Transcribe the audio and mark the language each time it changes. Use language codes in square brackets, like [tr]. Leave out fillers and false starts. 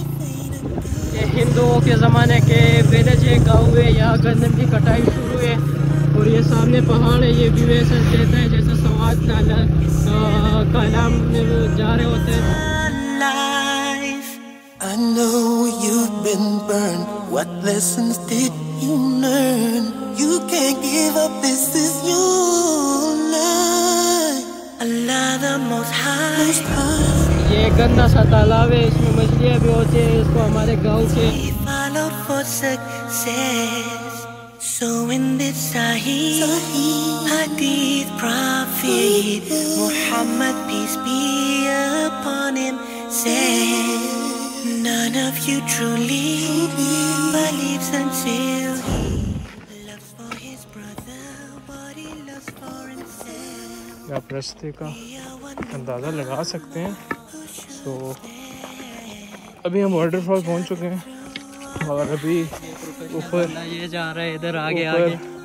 [hi] है कि पहले जो गाँव है यहाँ गंदम की कटाई शुरू है और ये सामने पहाड़ है, ये भी वैसे कहते हैं जैसे समाज कलाम जा रहे होते हैं। [en] You learn, you can't give up, this is your life. Allah the Most High. [hi] ये गंदा सा तालाब है, इसमें मछलियाँ भी होती है, इसको हमारे गाँव के [en] follow for success. So in this Sahih Hadith Prophet Muhammad, peace be upon him, says none of you truly believes until [hi] आप रास्ते का अंदाज़ा लगा सकते हैं। तो अभी हम वाटरफॉल पहुंच चुके हैं और अभी ऊपर ये जा रहा है, इधर आगे आगे